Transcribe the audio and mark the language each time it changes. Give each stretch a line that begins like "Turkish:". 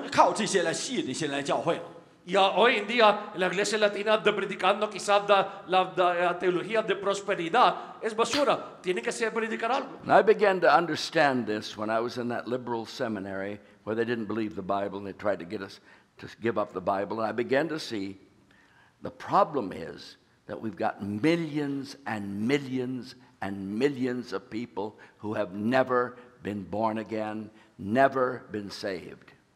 Chinese: 他们现在的教会所讲的就是你怎么样相信这个基督就可以发财致富。但为什么人们讲呢？只能靠这些来吸引这些来教会。
Spanish: Ya hoy en día la iglesia latina de predicando quizás la teología de prosperidad es basura. Tiene que ser predicar algo.
English: And I began to understand this when I was in that liberal seminary where they didn't believe the Bible and they tried to get us to give up the Bible. And I began to see the problem is that we've got millions and millions and millions of people who have never been born again, never been saved.